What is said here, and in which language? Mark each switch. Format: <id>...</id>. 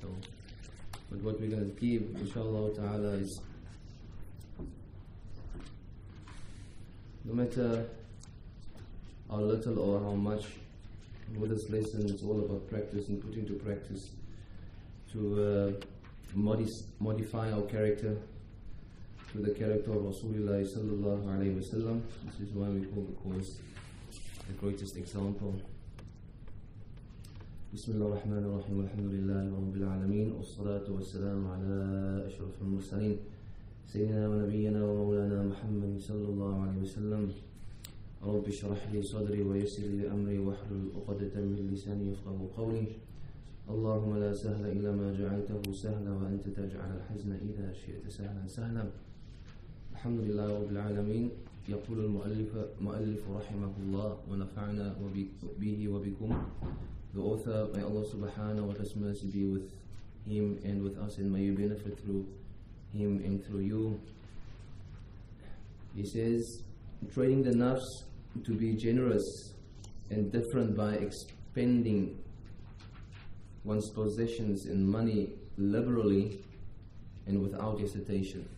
<en>So, but what we're going to give, inshallah ta'ala, is no matter how little or how much, what this lesson is all about practice and putting to practice to modify our character to the character of Rasulullah sallallahu alayhi wa sallam. This is why we call the course the greatest example.</en> <ar>بسم الله الرحمن الرحيم والحمد لله رب العالمين والصلاة والسلام على أشرف المرسلين سيدنا ونبينا ومولانا محمد صلى الله عليه وسلم رب اشرح لي صدري ويسر لي أمري واحلل عقدة من لساني يفقهوا قولي اللهم لا سهل إلا ما جعلته سهلا وأنت تجعل الحزن إذا شئت سهلا سهلا الحمد لله رب العالمين يقول المؤلف رحمه الله ونفعنا به وبكم.</ar> <en>The author, may Allah subhanahu wa ta'ala's mercy be with him and with us, and may you benefit through him and through you. He says, training the nafs to be generous and different by expending one's possessions and money liberally and without hesitation.</en>